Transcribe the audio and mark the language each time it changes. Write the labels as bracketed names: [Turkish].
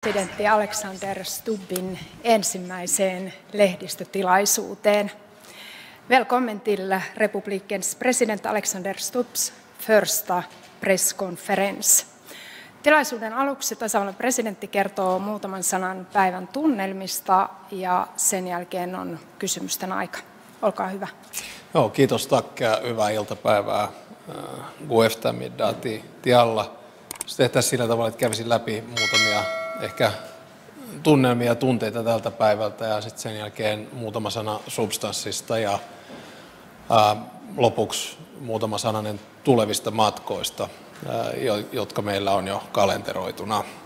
[Finnish] presidentti Alexander Stubbin ensimmäiseen lehdistötilaisuuteen. [Swedish] Välkommen till republikens president Alexander Stubbs första presskonferens. [Finnish] Tilaisuuden aluksi tasavallan presidentti kertoo muutaman sanan päivän tunnelmista ja sen jälkeen on kysymysten aika. Olkaa hyvä. Joo, kiitos takia. Hyvää iltapäivää. [Swedish] Eftermiddati tialla. [Finnish] Se tehtäisiin sillä tavalla, että kävisin läpi muutamia ehkä tunnelmia ja tunteita tältä päivältä ja sitten sen jälkeen muutama sana substanssista ja lopuksi muutama sananen tulevista matkoista, jotka meillä on jo kalenteroituna.